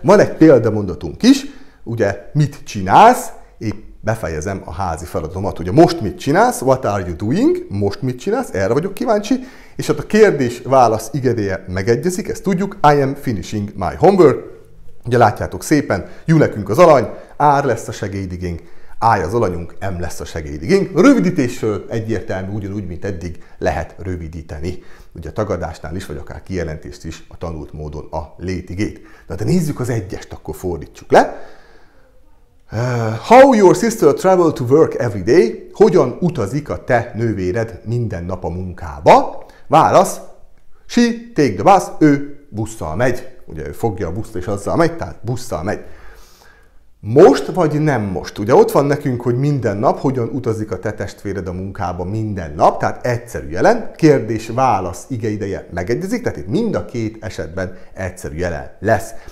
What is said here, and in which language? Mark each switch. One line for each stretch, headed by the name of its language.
Hungarian: Van egy példamondatunk is, ugye mit csinálsz, épp befejezem a házi feladatomat, ugye most mit csinálsz,
English: what are you doing,
Hungarian: most mit csinálsz, erre vagyok kíváncsi, és hát a kérdés-válasz igedéje megegyezik, ezt tudjuk,
English: I am finishing my homework,
Hungarian: ugye látjátok szépen, jó nekünk az alany, R lesz a segédigénk, I az alanyunk, M lesz a segédigénk, rövidítésről egyértelmű, ugyanúgy, mint eddig lehet rövidíteni, ugye a tagadásnál is, vagy akár kijelentést is a tanult módon a létigét. Na de nézzük az egyest, akkor fordítsuk le.
English: How your sister travel to work every day?
Hungarian: Hogyan utazik a te nővéred minden nap a munkába? Válasz,
English: she take the bus,
Hungarian: ő busszal megy. Ugye ő fogja a buszt és azzal megy, tehát busszal megy. Most vagy nem most? Ugye ott van nekünk, hogy minden nap, hogyan utazik a te testvéred a munkába minden nap, tehát egyszerű jelen, kérdés-válasz igeideje megegyezik, tehát itt mind a két esetben egyszerű jelen lesz.